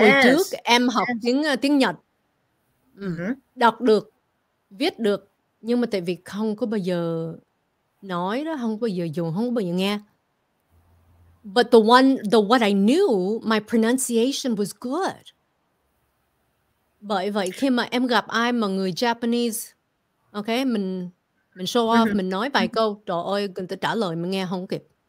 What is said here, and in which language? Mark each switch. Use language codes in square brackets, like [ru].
[vi] Hồi trước em học tiếng Nhật. Đọc được, viết được, nhưng mà tại vì không có bao giờ nói đó, không có bao giờ dùng, không có bao giờ nghe. [en] But what I knew, my pronunciation was good. [vi] Bởi vậy khi mà em gặp ai mà người Japanese, okay, mình show off, mình nói vài câu, trời ơi, người ta trả lời mình nghe không kịp.